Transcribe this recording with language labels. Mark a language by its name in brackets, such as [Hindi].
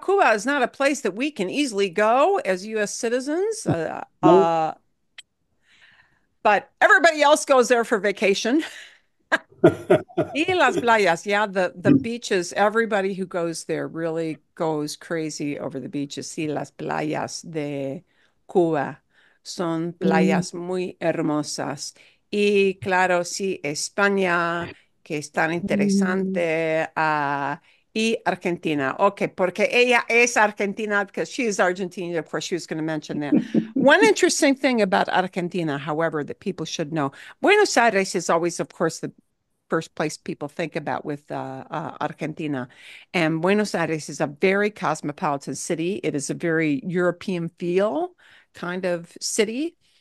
[English] Cuba is not a place that we can easily go as U.S. citizens, No. but everybody else goes there for vacation. [Spanish] Y las playas, [English] yeah, the beaches. Everybody who goes there really goes crazy over the beaches. [Spanish] Sí, las playas de Cuba son playas muy hermosas. Y claro, sí, España, que es tan interesante, y Argentina. [English] Okay, [Spanish] porque ella es argentina, [English] because she is Argentina, of course, she was going to mention that. One interesting thing about Argentina, however, that people should know, Buenos Aires is always, of course, the first place people think about with Argentina. And Buenos Aires is a very cosmopolitan city. It is a very European feel kind of city.